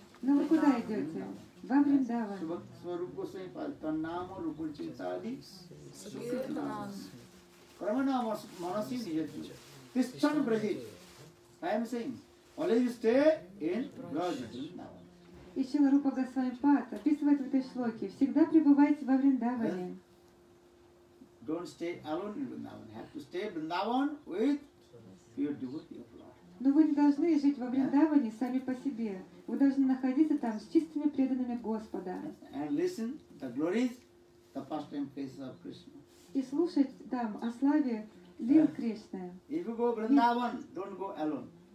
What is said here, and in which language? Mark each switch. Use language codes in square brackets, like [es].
[ru] Но вы куда идете? Во Вриндаван. [sa] Pramanama manasi nijati. Tishtan brajit. [en] I am saying, always stay in Vrindavan. [ru] И Шрила Рупа Госвами Пад описывает в этой шлоке, всегда пребывайте во Вриндаване. [en] Don't stay alone in Vrindavan. You have to stay in Vrindavan with your devotee of Lord. [ru] Но вы не должны жить во Вриндаване сами по себе. Вы должны находиться там с чистыми преданными Господа. [en] And listen the glories, the pastime faces of Krishna. [ru] И слушать там о славе лил Кришны. [en] If you go Vrindavan, don't go alone.